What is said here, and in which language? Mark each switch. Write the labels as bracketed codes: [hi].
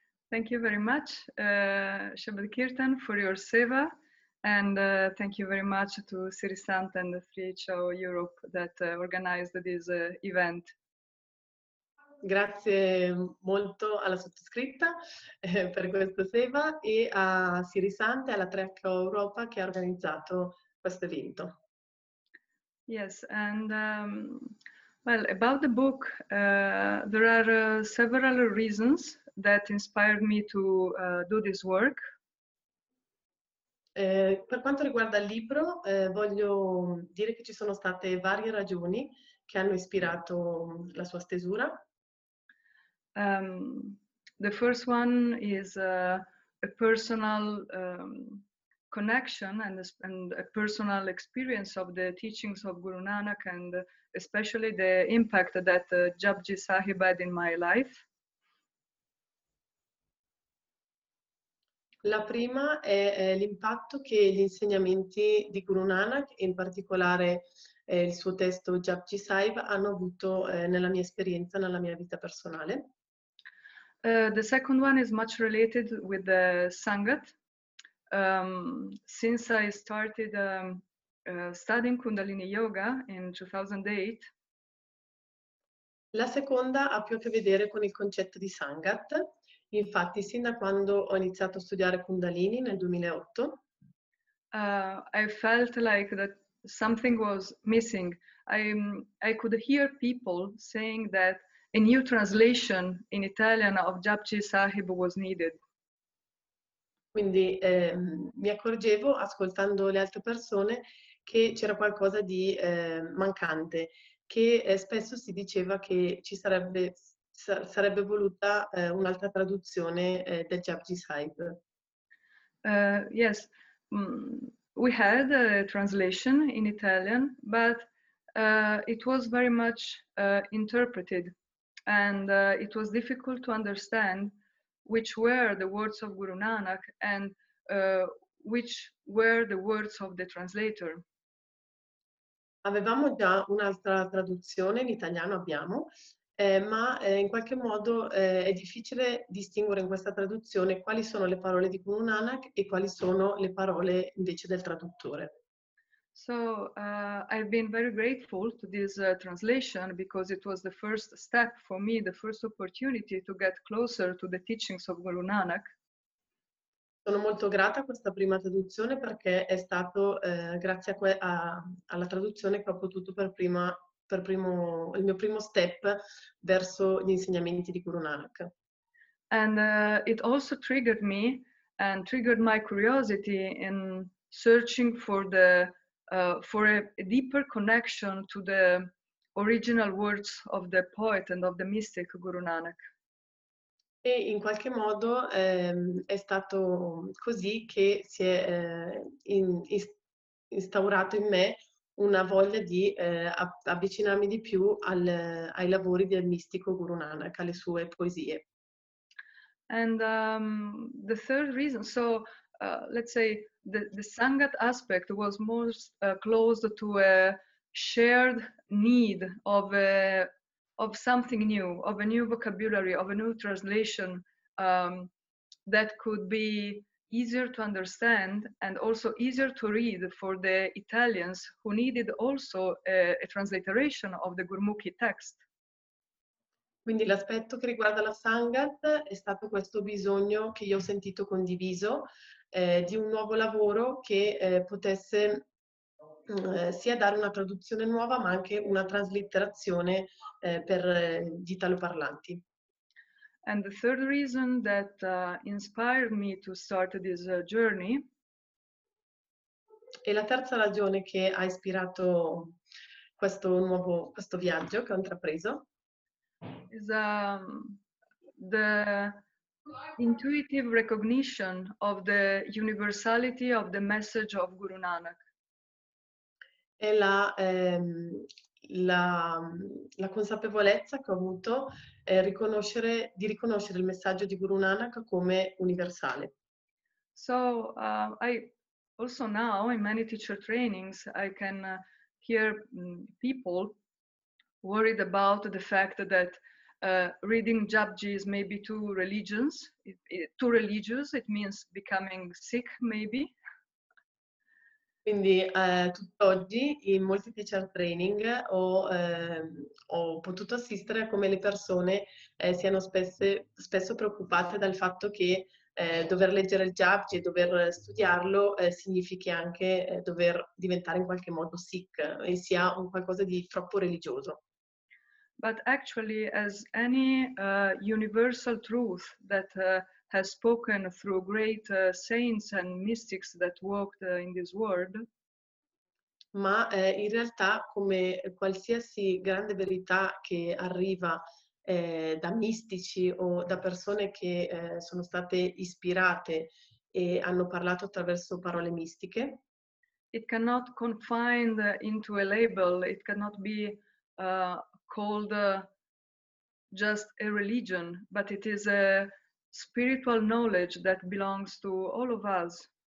[en] Thank you very much, Shabbat Kirtan, for your seva, and thank you very much to Sri Sant and the 3HO Europe that organized this event. [it] Grazie molto alla sottoscritta per questo seva e a Sri Sant e alla 3HO Europa che ha organizzato questo evento. [en] Yes, and well, about the book, there are several reasons that inspired me to do this work. [it] Per quanto riguarda il libro, voglio dire che ci sono state varie ragioni che hanno ispirato la sua stesura. [en] The first one is a personal connection and a personal experience of the teachings of Guru Nanak and especially the impact that Jabuji Sahib had in my life. [it] La prima è l'impatto che gli insegnamenti di Guru Nanak, in particolare il suo testo Jabuji Sahib, hanno avuto nella mia esperienza, nella mia vita personale. [en] The second one is much related with the Sangat. Since I started studying Kundalini Yoga in 2008. [it] La seconda ha più a che vedere con il concetto di Sangat. Infatti, sin da quando ho iniziato a studiare Kundalini nel 2008, [en] I felt like that something was missing. I could hear people saying that a new translation in Italian of Japji Sahib was needed. [it] Quindi mi accorgevo, ascoltando le altre persone, che c'era qualcosa di mancante, che spesso si diceva che ci sarebbe voluta un'altra traduzione del Japji Sahib. [en] Yes, we had a translation in Italian, but it was very much interpreted, and it was difficult to understand which were the words of Guru Nanak and which were the words of the translator. [it] Avevamo già un'altra traduzione, in italiano abbiamo, ma in qualche modo è difficile distinguere in questa traduzione quali sono le parole di Guru Nanak e quali sono le parole invece del traduttore. [en] So I've been very grateful to this translation because it was the first step for me, the first opportunity to get closer to the teachings of Guru Nanak. [it] Sono molto grata a questa prima traduzione perché è stato grazie alla traduzione che ho potuto il mio primo step verso gli insegnamenti di Guru Nanak. [en] And it also triggered me and triggered my curiosity in searching for the for a deeper connection to the original words of the poet and of the mystic Guru Nanak. [it] E in qualche modo è stato così che si è instaurato in me una voglia di avvicinarmi di più ai lavori del mistico Guru Nanak, alle sue poesie. [en] And the third reason, so let's say the Sangat aspect was most close to a shared need of of something new, of a new vocabulary, of a new translation that could be easier to understand and also easier to read for the Italians who needed also a transliteration of the Gurmukhi text. [it] Quindi l'aspetto che riguarda la Sangat è stato questo bisogno che io ho sentito condiviso di un nuovo lavoro che potesse sia dare una traduzione nuova ma anche una traslitterazione per gli italoparlanti. [en] And the third reason that inspired me to start this journey. [it] E la terza ragione che ha ispirato questo viaggio che ho intrapreso. [en] Is the intuitive recognition of the universality of the message of Guru Nanak. [it] È la la consapevolezza che ho avuto è riconoscere il messaggio di Guru Nanak come universale. [en] So I also now in many teacher trainings I can hear people worried about the fact that reading Japji is maybe too religious, it means becoming sick maybe. [it] Quindi tutt'oggi in molti teacher training ho potuto assistere a come le persone siano spesso preoccupate dal fatto che dover leggere il Japji e dover studiarlo significhi anche dover diventare in qualche modo sick e sia un qualcosa di troppo religioso. [en] But actually, as any universal truth that has spoken through great saints and mystics that walked in this world. [it] Ma in realtà, come qualsiasi grande verità che arriva da mistici o da persone che sono state ispirate e hanno parlato attraverso parole mistiche. [en] It cannot confine into a label, it cannot be called just a religion, but it is a spiritual knowledge that belongs to all of us.